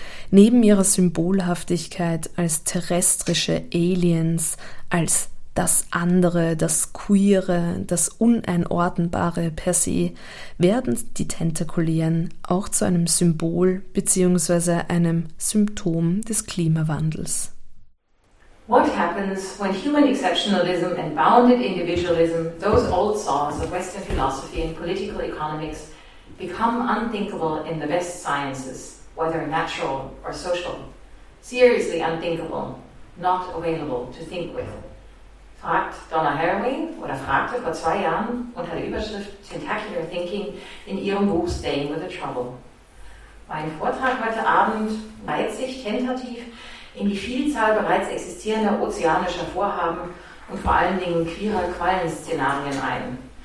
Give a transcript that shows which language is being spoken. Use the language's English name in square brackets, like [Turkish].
[German] Neben ihrer Symbolhaftigkeit als terrestrische Aliens, als das Andere, das Queere, das Uneinordnbare per se, werden die Tentakulären auch zu einem Symbol bzw. einem Symptom des Klimawandels. [English] What happens when human exceptionalism and bounded individualism, those old saws of Western philosophy and political economics, become unthinkable in the best sciences, whether natural or social? Seriously unthinkable, not available to think with. [German] Fragt Donna Haraway oder fragte vor 2 Jahren unter der Überschrift Tentacular Thinking in ihrem Buch Staying with the Trouble. Mein Vortrag heute Abend reiht sich tentativ in die Vielzahl bereits existierender ozeanischer Vorhaben und vor allen Dingen queerer Quallenszenarien ein.